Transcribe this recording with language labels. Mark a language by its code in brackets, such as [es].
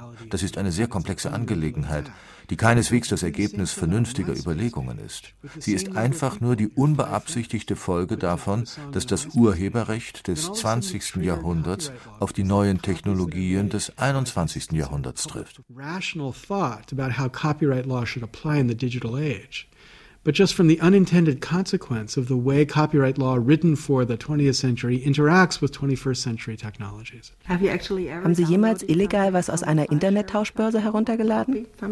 [de] Das ist eine sehr komplexe Angelegenheit, die keineswegs das Ergebnis vernünftiger Überlegungen ist. Sie ist einfach nur die unbeabsichtigte Folge davon, dass das Urheberrecht des 20. Jahrhunderts auf die neuen Technologien des 21. Jahrhunderts trifft. [en] Rational thought about how copyright law should apply in the digital age, but just from the unintended consequence of the way copyright law written for the 20th century interacts with 21st century technologies. [de] Haben Sie jemals illegal was aus einer Internettauschbörse heruntergeladen?